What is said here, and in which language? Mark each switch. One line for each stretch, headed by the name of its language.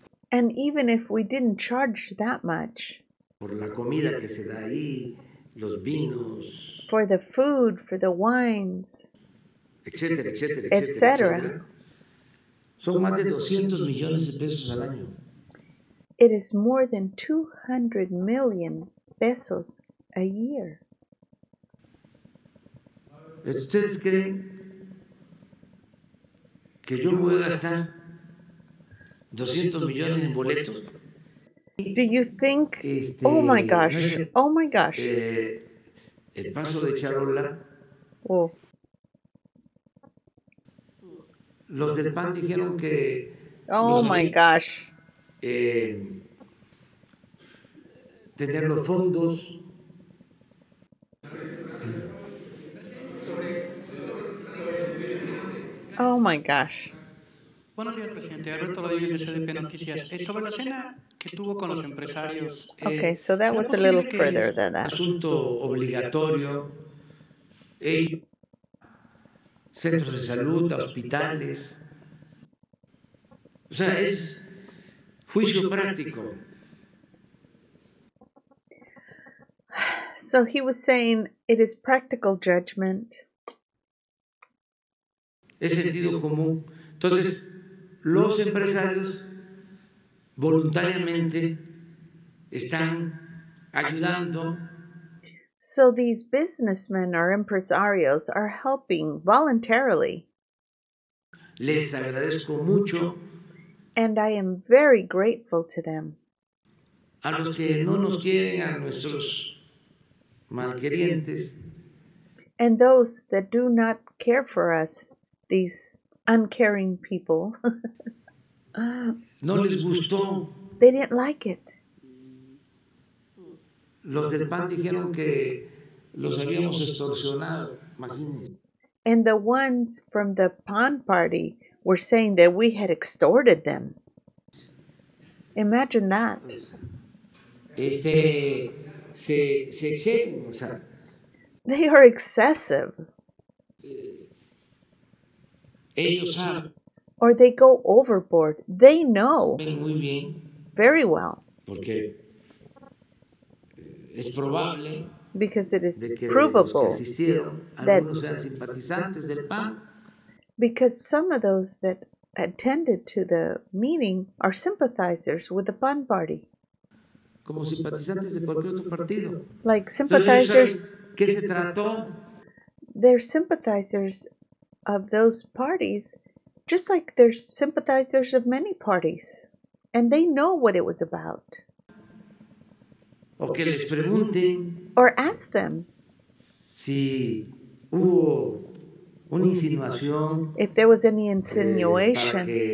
English: And even if we didn't charge that much.
Spanish: Por la comida que se da ahí, los vinos.
English: For the food, for the wines.
Spanish: Etcétera, etcétera, etcétera. Son más de 200 millones de pesos al año.
English: It is more than 200 million pesos a year.
Spanish: ¿Ustedes creen que yo voy a gastar 200 millones en boletos?
English: Do you think, oh my gosh, oh my gosh.
Spanish: El paso de charola. Oh. Los del PAN dijeron que
English: Oh, no my gosh.
Spanish: Tener los fondos.
English: Oh, my gosh.
Spanish: Buenos días, presidente. Alberto Rodríguez, de CDP Noticias. Sobre la cena que tuvo con los empresarios.
English: Okay, so that was a little further than that.
Spanish: Asunto obligatorio. Hey, centros de salud, hospitales. O sea, es juicio práctico.
English: So he was saying it is practical judgment.
Spanish: Es sentido común. Entonces, los empresarios voluntariamente están ayudando.
English: So these businessmen or empresarios are helping voluntarily.
Spanish: Les agradezco mucho.
English: And I am very grateful to them.
Spanish: A los que no nos quieren, a nuestros malquerientes.
English: And those that do not care for us, these uncaring people.
Spanish: No les gustó.
English: They didn't like it.
Spanish: Los del PAN dijeron que los habíamos extorsionado. Imagínense.
English: And the ones from the PAN party were saying that we had extorted them. Imagine that.
Spanish: Se exceden, o sea.
English: They are excessive.
Spanish: Ellos saben.
English: Or they go overboard. They know.
Spanish: Muy bien.
English: Very well.
Spanish: Porque es probable.
English: Because it is
Spanish: de que
English: provable.
Spanish: Los que asistieron,
English: that
Spanish: algunos sean simpatizantes del PAN.
English: Because some of those that attended to the meeting are sympathizers with the PAN party.
Spanish: Como simpatizantes de cualquier otro partido.
English: Like sympathizers.
Spanish: ¿Qué se trató?
English: They're sympathizers of those parties, just like they're sympathizers of many parties, and they know what it was about.
Spanish: O que les pregunten.
English: Or ask them.
Spanish: Si hubo una insinuación.
English: If there was any insinuation.